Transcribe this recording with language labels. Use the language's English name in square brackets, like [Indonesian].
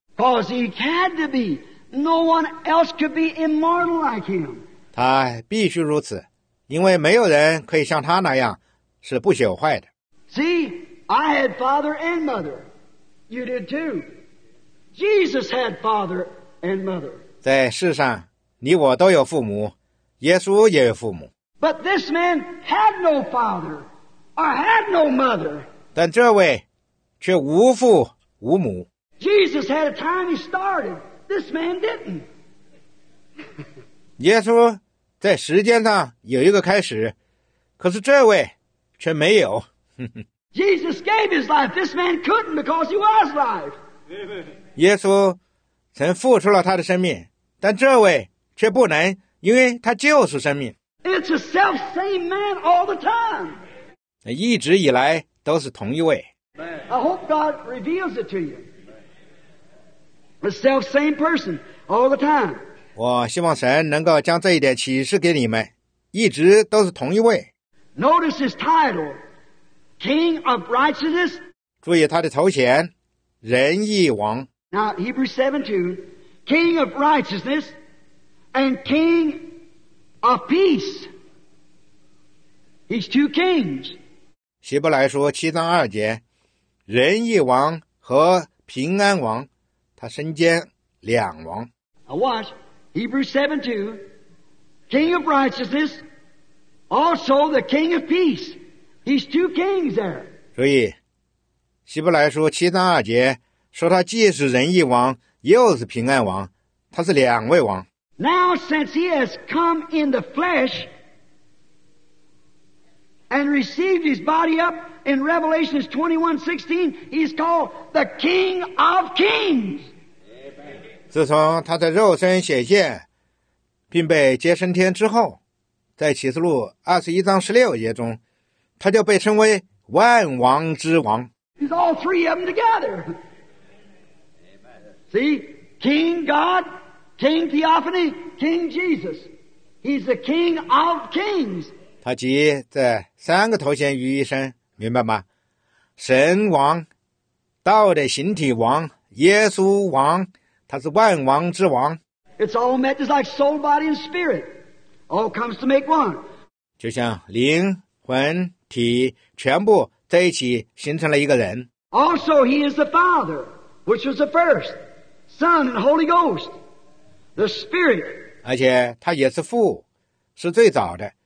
[English] Because he had to be. No one else could be immortal like him. [Chinese] 他必须如此，因为没有人可以像他那样是不朽坏的。 [English] See, I had father and mother. You did too. Jesus had father and mother. [Chinese] 在世上，你我都有父母，耶稣也有父母。 [English] But this man had no father or had no mother. [Chinese] 但这位却无父无母。 [English] Jesus had a time he started. This man didn't. [Chinese] 耶稣在时间上有一个开始，可是这位却没有。 [English] Jesus gave his life. This man couldn't because he was life. Amen. [Chinese] 耶稣曾付出了他的生命，但这位却不能，因为他就是生命。 [English] It's the self same man all the time. [Chinese] 一直以来都是同一位。 [English] I hope God reveals it to you. The self same person all the time. [Chinese] 我希望神能够将这一点启示给你们，一直都是同一位。 [English] Notice his title, King of Righteousness. [Chinese] 注意他的头衔，仁义王。 [English] Now, Hebrews 7:2, King of Righteousness and King of Peace. He's two kings. [Chinese] 希伯来书七章二节，仁义王和平安王，他身兼两王。 [English] Now watch, Hebrews 7:2, King of Righteousness, also the King of Peace. He's two kings there. [Chinese] 所以，希伯来书七章二节说他既是仁义王，又是平安王，他是两位王。 [English] Now since he has come in the flesh and received his body up in Revelation 21:16, he's called the King of Kings. [Chinese] 自从他的肉身显现，并被接升天之后，在启示录21:16中，他就被称为万王之王。 [English] He's all three of them together. See, King God, King Theophany, King Jesus. He's the King of Kings. [Chinese] 他集这三个头衔于一身，明白吗？神王，道的形体王，耶稣王，他是万王之王。 [English] It's all met just like soul, body, and spirit. All comes to make one. [Chinese] 就像灵魂体全部在一起形成了一个人。 [English] Also, he is the Father, which was the first. Son and Holy Ghost, the Spirit. [Chinese] 而且他也是父，是最早的。